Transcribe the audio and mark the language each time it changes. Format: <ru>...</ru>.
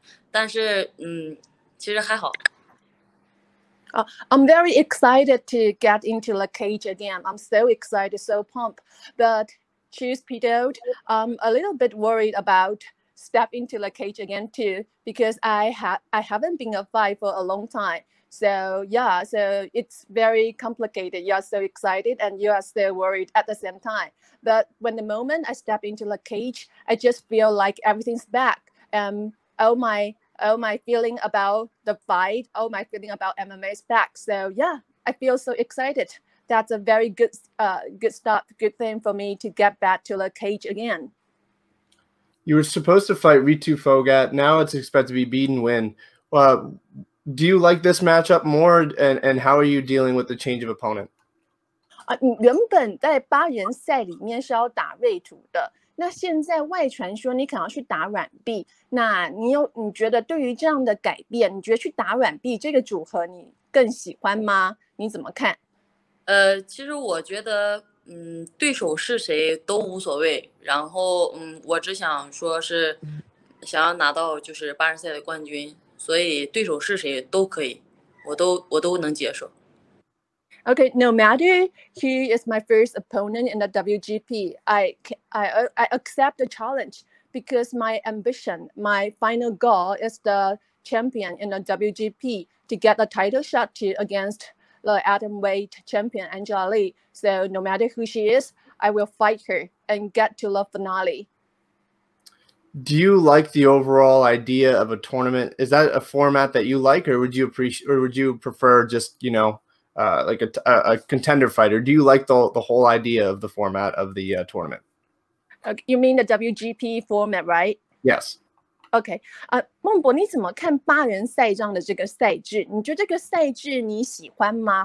<zh>然后就是兴奋、激动，是因为好久没有比赛了，然后再次站入擂台的时候，就是整个心情就是不一样的。然后担心的话，就是因为好久都没有上擂台了，然后就会担心自己有一些东西，然后在擂台上会发挥不出来。但是，其实还好。</zh> <en>I'm very excited to get into the cage again. I'm so excited, so pumped, but. Choose pedoed. I'm a little bit worried about step into the cage again too, because I haven't been a fight for a long time. So yeah, so it's very complicated. You are so excited and you are still worried at the same time. But when the moment I step into the cage, I just feel like everything's back. All my feeling about the fight, all my feeling about MMA is back. So yeah, I feel so excited. That's a very good, good start, good thing for me to get back to the cage again. You were supposed to fight Ritu Fogat. Now it's expected to be beat and win. Do you like this matchup more? And how are you dealing with the change of opponent?</en> <zh>原本在八人赛里面是要打瑞图的。那现在外传说你可能要去打软币，那你有你觉得对于这样的改变，你觉得去打软币这个组合你更喜欢吗？你怎么看？其实我觉得对手是谁都无所谓，然后我只想说是想要拿到就是八人赛的冠军，所以对手是谁都可以，我都能接受。</zh> <en>Okay, no matter who is my first opponent in the WGP, I accept the challenge because my ambition, my final goal is the champion in the WGP to get the title shot to against the atomweight champion Angela Lee. So no matter who she is, I will fight her and get to the finale. Do you like the overall idea of a tournament? Is that a format that you like, or would you appreciate, or would you prefer just, you know, like a contender fighter? Do you like the whole idea of the format of the tournament? You mean the WGP format, right? Yes. Okay.</en> <zh>孟博，你怎么看八人赛这样的这个赛制？你觉得这个赛制你喜欢吗？</zh>